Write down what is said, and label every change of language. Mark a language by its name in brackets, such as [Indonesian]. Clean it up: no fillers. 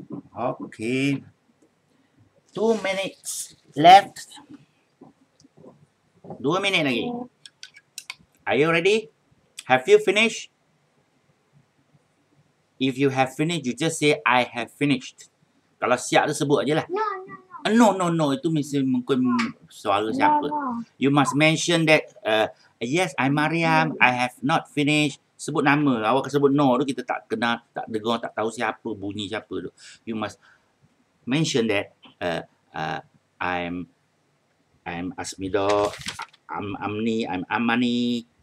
[English] Okay. 2 minutes left. 2 minutes lagi. Are you ready? Have you finished? If you have finished, you just say, I have finished. [Malay] Kalau siap tu sebut aje lah. [English] No. [Malay] Itu mesti mungkin suara siapa. [English] No. You must mention that, yes, I'm Mariam. No. I have not finished. [Malay] Sebut nama. Awak sebut no tu, kita tak kenal, tak dengar, tak tahu siapa, bunyi siapa tu. [English] You must mention that, I'm Asmido. I'm Amni. I'm Amani.